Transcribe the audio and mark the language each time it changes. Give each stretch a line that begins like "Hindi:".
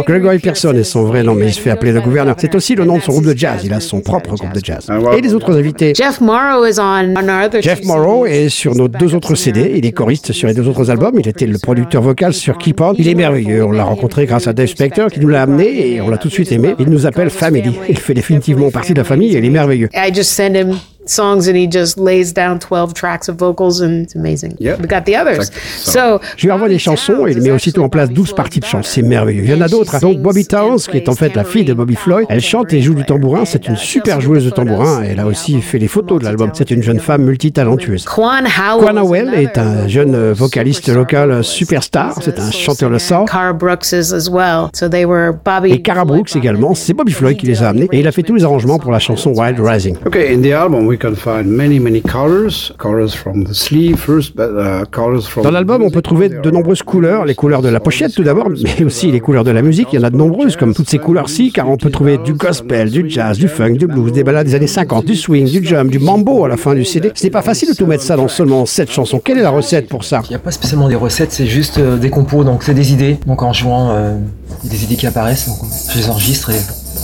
French: Gregory Pearson est son vrai nom, mais il se fait appeler le Governor. C'est aussi le nom de son groupe de jazz, il a son propre groupe de jazz. Et les autres invités? Jeff Morrow est sur nos deux autres CD, il est choriste sur les deux autres albums, il était le producteur vocal sur Keep On. Il est merveilleux, on l'a rencontré grâce à Dave Spector qui nous l'a amené et on l'a tout de suite aimé. Il nous appelle Family, il fait définitivement partie de la famille et il est merveilleux.
English: I just send him songs and he just lays down 12 tracks of vocals and it's amazing. Yep. We got the others. So,
French: je lui envoie des chansons et il met aussitôt en place 12 parties de chants. C'est merveilleux. Il y en a d'autres. Donc Bobby Towns, qui est en fait la fille de Bobby Floyd, elle chante et joue du tambourin. C'est une super joueuse de tambourin. Elle a aussi fait les photos de l'album. C'est une jeune femme multitalentueuse. Quan Howell est un jeune vocaliste local superstar. C'est un chanteur de sang.
English: Cara Brooks is as well. So they were Bobby.
French: Et Cara Brooks également. C'est Bobby Floyd qui les a amenés et il a fait tous les arrangements pour la chanson Wild Rising.
English: Okay, in the album. We can find many, many colors, colors from the sleeve first, but colors from.
French: Dans l'album, on peut trouver de nombreuses couleurs, les couleurs de la pochette tout d'abord, mais aussi les couleurs de la musique. Il y en a de nombreuses, comme toutes ces couleurs-ci, car on peut trouver du gospel, du jazz, du funk, du blues, des ballades des années 50, du swing, du jump, du mambo à la fin du CD. Ce n'est pas facile de tout mettre ça dans seulement 7 chansons. Quelle est la recette pour ça? Il n'y a pas spécialement des recettes, c'est juste des compos, donc c'est des idées. Donc en jouant, il y a des idées qui apparaissent, donc je les enregistre et.